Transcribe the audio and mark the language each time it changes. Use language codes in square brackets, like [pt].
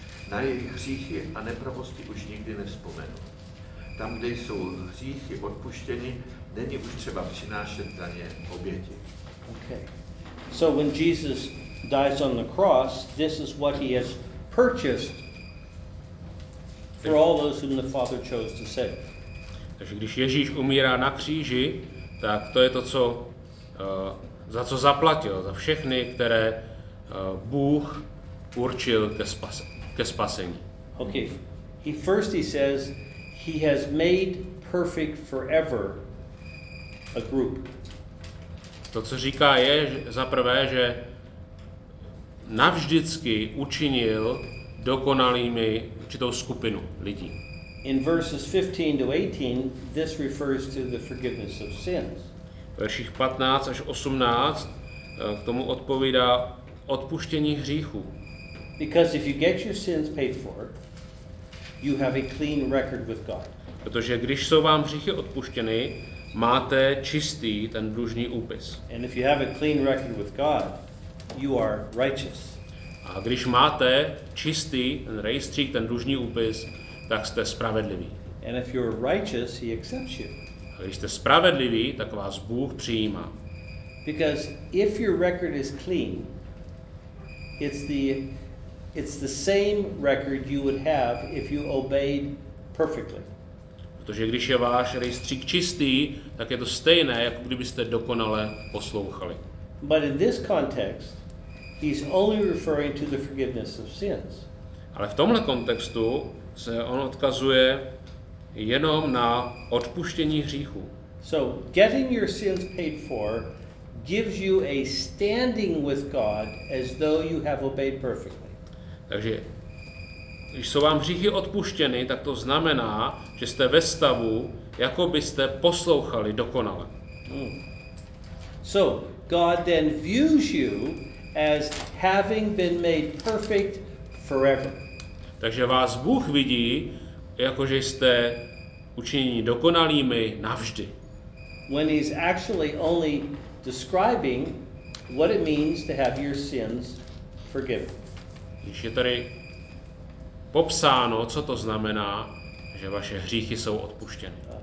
[cs] Na jejich hříchy a nepravosti už nikdy nevzpomenu. Tam, kde jsou hříchy odpuštěny, není už třeba přinášet za ně oběti. Okay. [en] So when Jesus dies on the cross, this is what he has purchased for all those whom the Father chose to save. [cs] Takže když Ježíš umírá na kříži, tak to je to, co za co zaplatil, za všechny, které Bůh určil ke spasení. [en] Okay. He says he has made perfect forever a group. [cs] To, co říká, je za prvé, že navždycky učinil dokonalými určitou skupinu lidí. [en] In verses 15 to 18, this refers to the forgiveness of sins. [cs] Verších 15 až 18 k tomu odpovídá odpuštění hříchů. [en] Because if you get your sins paid for, you have a clean record with God. [cs] Protože když jsou vám hříchy odpuštěny, máte čistý ten dlužní úpis. [en] And if you have a clean record with God, you are righteous. [cs] A když máte čistý ten rejstřík, ten dlužní úpis, tak jste spravedliví. [en] And if you're righteous, he accepts you. [cs] A když jste spravedliví, tak vás Bůh přijímá. [en] Because if your record is clean, it's the same record you would have if you obeyed perfectly. [cs] Protože když je váš rejstřík čistý, tak je to stejné, jako kdybyste dokonale poslouchali. [en] But in this context, he's only referring to the forgiveness of sins. [cs] Ale v tomhle kontextu se on odkazuje jenom na odpuštění hříchů. [en] So getting your sins paid for gives you a standing with God as though you have obeyed perfectly. [cs] Takže když jsou vám hříchy odpuštěny, tak to znamená, že jste ve stavu, jako byste poslouchali dokonale. [en] So God then views you as having been made perfect forever. [cs] Takže vás Bůh vidí, jako že jste učiněni dokonalými navždy. [en] When he's actually only describing what it means to have your sins forgiven. [cs] Když je tady popsáno, co to znamená, že vaše hříchy jsou odpuštěny.